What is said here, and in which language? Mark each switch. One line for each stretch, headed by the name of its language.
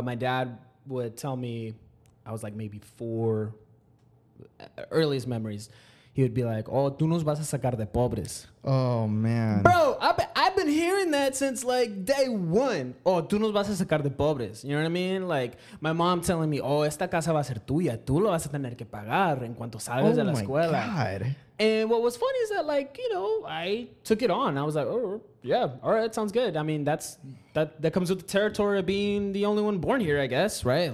English: My dad would tell me, I was like maybe four, earliest memories. He would be like, oh,
Spanish: tú nos vas a sacar de pobres.
English: Oh, man. Bro, I've been hearing that since, like, day one. Oh,
Spanish: tú nos vas a sacar de pobres.
English: You know what I mean? Like, my mom telling me, oh,
Spanish: esta casa va a ser tuya. Tú lo vas a tener que pagar en cuanto salgas de la escuela.
English: Oh, my God. And what was funny is that, like, you know, I took it on. I was like, oh, yeah, all right, sounds good. I mean, that comes with the territory of being the only one born here, I guess, right?